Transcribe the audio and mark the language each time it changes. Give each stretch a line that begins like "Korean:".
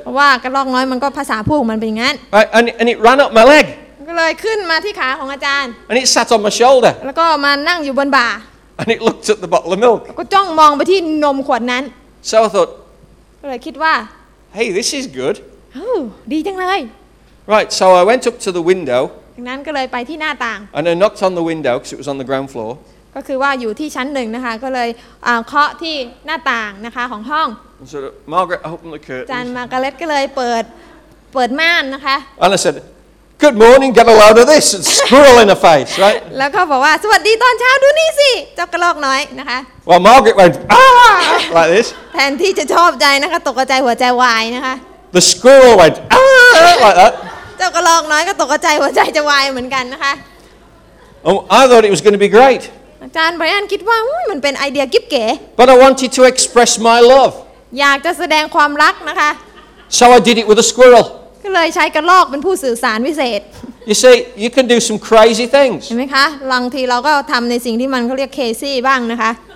Thai: ว่ากระรอกน้อยมันก็ภาษาพูดของมันเป็นงั้น
English: and it ran up my leg
Thai: ก็เลยขึ้นมาที่ขาของอาจารย์
English: and it sat on my shoulder
Thai: แล้วก็มานั่งอยู่บนบ่า
English: and it looked at the bottle of milk
Thai: ก็จ้องมองไปที่นมขวดนั้น
English: so I thought
Thai: ก็เลยคิดว่า
English: hey this is good
Thai: oh ดีจังเลย
English: right so I went up to the window
Thai: ดังนั้นก็เลยไปที่หน้าต่าง
English: and I knocked on the window because it was on the ground floor
Thai: ก็คือว่าอยู่ที่ชั้นหนึ่งนะคะก็เลยเคาะที่หน้าต่างนะคะของห้อง อา จารย์มาร์กาเร็ตก็เลยเปิดม่านนะคะ
English: And I said good morning get a load of this and squirrel in the face right
Thai: แล้วเขาบอกว่าสวัสดีตอนเช้าดูนี่สิเจ้ากระรอกน้อยนะคะ
English: Well Margaret went like this
Thai: แทนที่จะชอบใจนะคะตกใจหัวใจวายนะคะ
English: The squirrel went like that
Thai: เจ จ้ากระรอกน้อยก็ตกใจหัวใจจะวายเหมือนกันนะคะ
English: Oh, I thought it was going to be great.
Thai: อาจารย์ไบรอันคิดว่ามันเป็นไอเดียกิ๊บเก๋
English: But I wanted to express my love.
Thai: อยากจะแสดงความรักนะคะ
English: So I did it with a squirrel.
Thai: ก็เลยใช้กระรอกเป็นผู้สื่อสารวิเศษ
English: You see, you can do some crazy things.
Thai: เห็นไหมคะบางทีเราก็ทำในสิ่งที่มันเขาเรียกเคซี่บ้างนะคะ